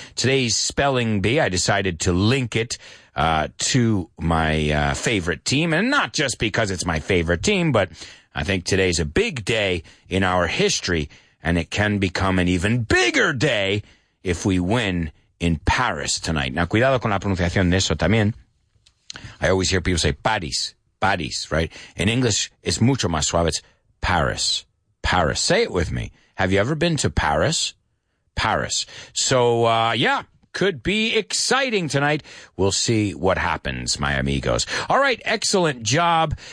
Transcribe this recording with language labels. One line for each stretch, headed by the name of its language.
English: Today's spelling bee, I decided to link it to my favorite team, and not just because it's my favorite team, but I think today's a big day in our history, and it can become an even bigger day if we win in Paris tonight. Now,
Spanish: cuidado con la pronunciación de eso también.
English: I always hear people say Paris, Paris, right? In English, it's
Spanish: mucho más suave.
English: It's Paris, Paris. Say it with me. Have you ever been to Paris? Paris. So, yeah, could be exciting tonight. We'll see what happens, my amigos. All right, excellent job.